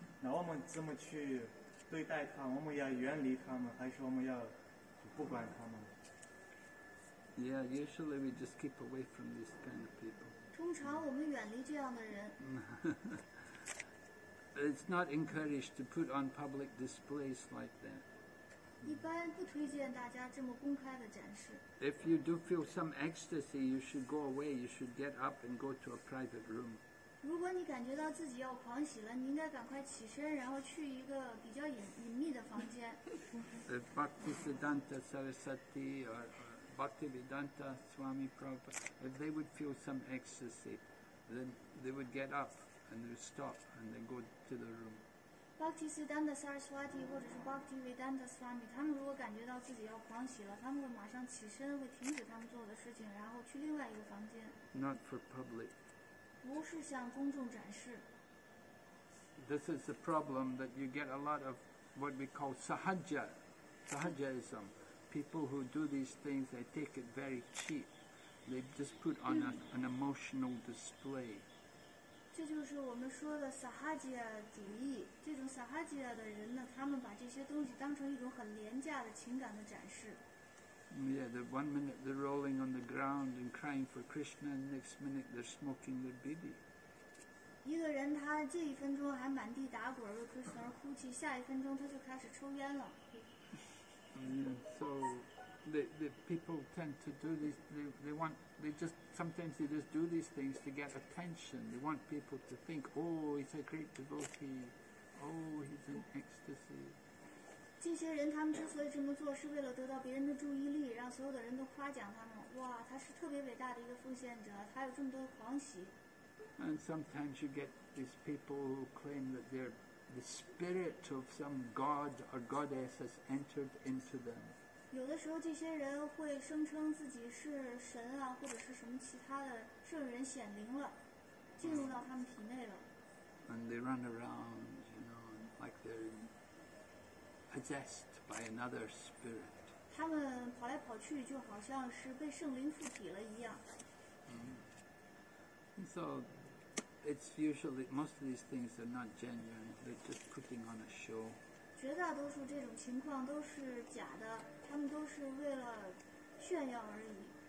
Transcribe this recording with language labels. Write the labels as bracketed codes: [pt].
[zh] 那我们怎么去对待他？我们要远离他们，还是我们要不管他们？ [en] Yeah, usually we just keep away from these kind of people. [zh] 通常我们远离这样的人。 [en] It's not encouraged to put on public displays like that. [zh] 一般不推荐大家这么公开的展示。 [en] If you do feel some ecstasy, you should go away. You should get up and go to a private room. [zh] 如果你感觉到自己要狂喜了，你应该赶快起身，然后去一个比较隐秘的房间。 [en] If Bhakti Siddhanta Sarasati or Bhakti Vedanta Swami Prabhupada, if they would feel some ecstasy, then they would get up and they would stop and they go to the room. [zh] Bhakti Siddhanta Saraswati 或者是 Bhakti Vedanta Swami, 他们如果感觉到自己要狂喜了，他们会马上起身，会停止他们做的事情，然后去另外一个房间。 [en] Not for public. [zh] 不是向公众展示。 [en] This is the problem that you get a lot of what we call sahaja, sahajaism. People who do these things, they take it very cheap. They just put on an emotional display. [zh] 这就是我们说的 Sahajya 主义。这种 Sahajya 的人呢，他们把这些东西当成一种很廉价的情感的展示。 [en] Yeah, the one minute they're rolling on the ground and crying for Krishna, and next minute they're smoking their bidi. [zh] 一个人他这一分钟还满地打滚为 Krishna 而哭泣，下一分钟他就开始抽烟了。 [en] So the people tend to do these, they just do these things to get attention. They want people to think, oh, he's a great devotee. Oh, he's in ecstasy. [zh] 这些人他们之所以这么做是为了得到别人的注意力，让所有的人都夸奖他们。哇，他是特别伟大的一个奉献者，他有这么多狂喜。 [en] And sometimes you get these people who claim that they're,The spirit of some god or goddess has entered into them. [zh] 有的时候，这些人会声称自己是神啊，或者是什么其他的圣人显灵了，进入到他们体内了。 [en] And they run around, you know, like they're possessed by another spirit. [zh] 他们跑来跑去就好像是被圣灵附体了一样。 [en] So it's usually, most of these things are not genuine, they're just putting on a show. [zh] 绝大多数这种情况都是假的，他们都是为了炫耀而已。